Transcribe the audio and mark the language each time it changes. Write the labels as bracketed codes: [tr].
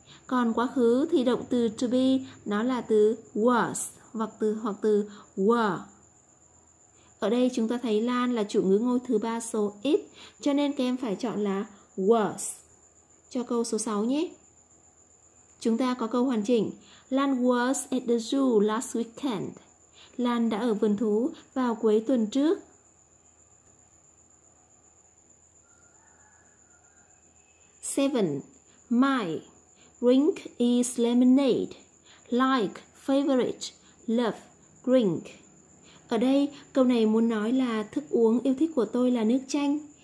[vi] Còn quá khứ thì động từ to be nó là từ was hoặc từ were. Ở đây chúng ta thấy Lan là chủ ngữ ngôi thứ ba số ít, cho nên các em phải chọn là was cho câu số 6 nhé. Chúng ta có câu hoàn chỉnh. [en] Lan was at the zoo last weekend. [vi] Lan đã ở vườn thú vào cuối tuần trước. [en] Seven. My drink is lemonade. Like, favorite, love, drink. [vi] Ở đây, câu này muốn nói là thức uống yêu thích của tôi là nước chanh.